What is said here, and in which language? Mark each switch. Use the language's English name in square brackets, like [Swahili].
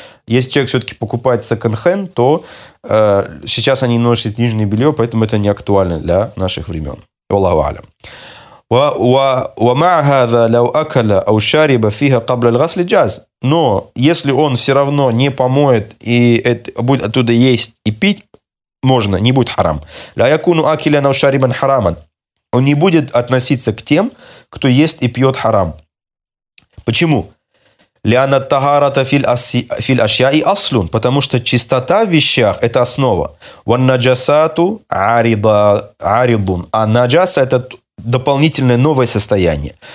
[Russian] Если человек все-таки покупает секонд-хенд, то сейчас они носят нижнее белье, поэтому это не актуально для наших времен. [Arabic] Аллаху а'лам. وَمَعَ هَذَا لَوْ أَكَلَ أَوْ شَارِبَ فِيهَ قَبْلَ الْغَسْلِ جَازْ. [Russian] Но если он все равно не помоет и будет оттуда есть и пить, можно, не будет харам. [Arabic] لَا يَكُنُ أَكِلًا أَوْ شَارِبًا حَرَامًا. [Russian] Он не будет относиться к тем, кто ест и пьет харам. Почему? [Arabic] لِأَنَ التَّهَارَةَ فِي الْأَشْيَاءِ أَصْلٌ. [Russian] Потому что чистота в вещах – это основа. [Arabic] وَالنَّجَسَاتُ عَارِضٌ. [Russian] А наджаса – это дополнительное новое состояние.